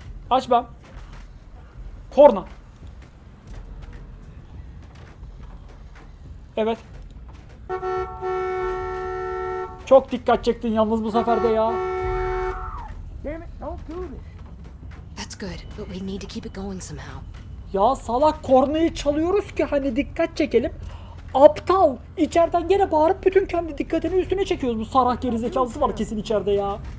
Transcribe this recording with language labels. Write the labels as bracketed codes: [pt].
[tr] Aç bam. Korna. Evet. Çok dikkat çektin yalnız bu sefer de ya. [en] That's good, but we need to keep it going somehow. [tr] Ya salak kornayı çalıyoruz ki hani dikkat çekelim. Aptal, içeriden gene bağırıp bütün kendi dikkatini üstüne çekiyoruz. Bu sarah gerizekalısı var kesin içeride ya.